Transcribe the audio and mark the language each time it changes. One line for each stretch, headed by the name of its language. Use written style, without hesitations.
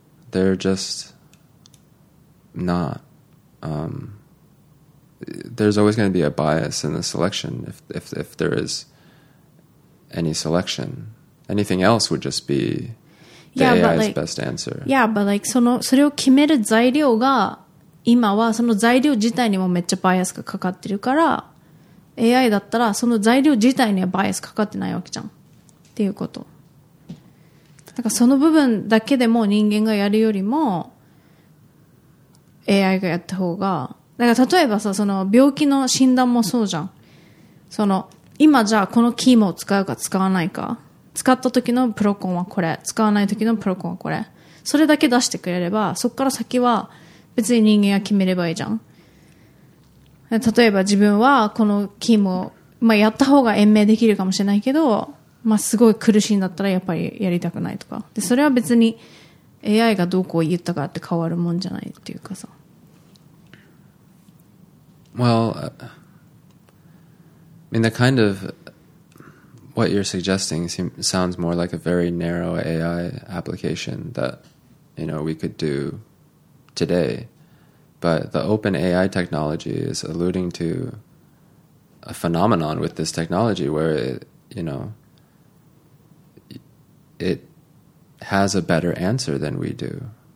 English: They're just not. There's always going to be a bias in the selection if there is any selection. Anything else would just be AI's best answer. Yeah, but like,
Japanese: それを決める材料が今はその材料自体にもめっちゃバイアスがかかってるから AI だったらその材料自体にはバイアスかかってないわけじゃんっていうこと。だからその部分だけでも人間がやるよりも AI がやった方が、だから例えばさ、その病気の診断もそうじゃん。その今じゃあこのキーモを使うか使わないか、使った時のプロコンはこれ、使わない時のプロコンはこれ、それだけ出してくれればそこから先は別に人間が決めればいいじゃん。例えば自分はこのキーモ、まあ、やった方が延命できるかもしれないけど、まあ、すごい苦しいんだったらやっぱりやりたくないとか。で、それは別に AI がどうこう言ったかって変わるもんじゃないっていうかさ。
English: Well, I mean, the kind of what you're suggesting sounds more like a very narrow AI application that, you know, we could do today. But the open AI technology is alluding to a phenomenon with this technology where it, you know, it has a better answer than we do.